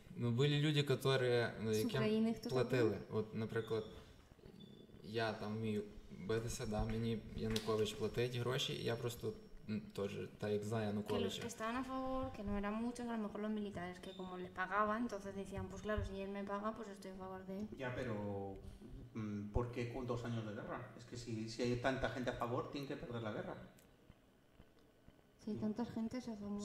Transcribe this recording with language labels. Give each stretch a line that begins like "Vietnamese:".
Russian: Ну, были люди, которые платили.
Ukrainian: Вот, например, я там вмію битися, да, мені Янукович платить гроші, я просто тоже, так як знаю Януковича.
Spanish: Que los que estaban a favor, que no eran muchos, a lo mejor los militares, que como les pagaban, entonces decían, pues claro, si él me paga, pues estoy a favor de él. Ya, pero ¿por qué dos años de guerra? Es que si hay tanta gente a favor, tienen que perder la guerra. Si hay tanta gente a favor.